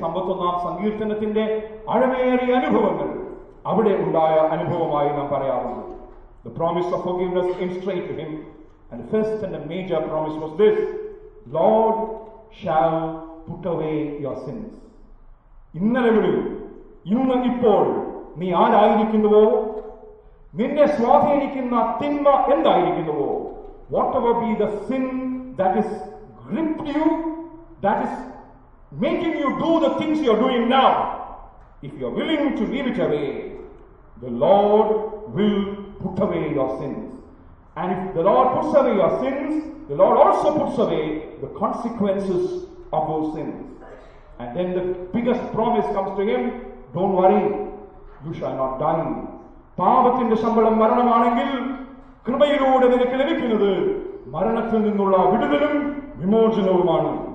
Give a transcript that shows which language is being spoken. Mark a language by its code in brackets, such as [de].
[ml] 51st സങ്കീർത്തനത്തിന്റെ അഴമേറിയ അനുഭവങ്ങൾ അവിടെ ഉണ്ടായ അനുഭവമായി നാം പറയാറുണ്ട്. [en] The promise of forgiveness came straight to him. And the first and the major promise was this: Lord shall put away your sins. [ml] ഇന്നലെ മുതൽ ഇന്ന് ഇപ്പോൾ നീ ആരായിരിക്കുന്നുവോ, നിന്നെ സ്വാധീനിക്കുന്ന തിന്മ എന്തായിരിക്കുന്നുവോ, [en] whatever be the sin that is gripped you, that is making you do the things you are doing now, if you are willing to leave it away, the Lord will put away your sins. And if the Lord puts away your sins, the Lord also puts away the consequences of those sins. And then the biggest promise comes to him: don't worry, you shall not die. [ml] പാപത്തിന്റെ ശമ്പളം മരണമാണെങ്കിൽ കൃപയിലൂടെ നിനക്ക് ലഭിക്കുന്നത് മരണത്തിൽ നിന്നുള്ള വിടുതലും വിമോചനവുമാണ്.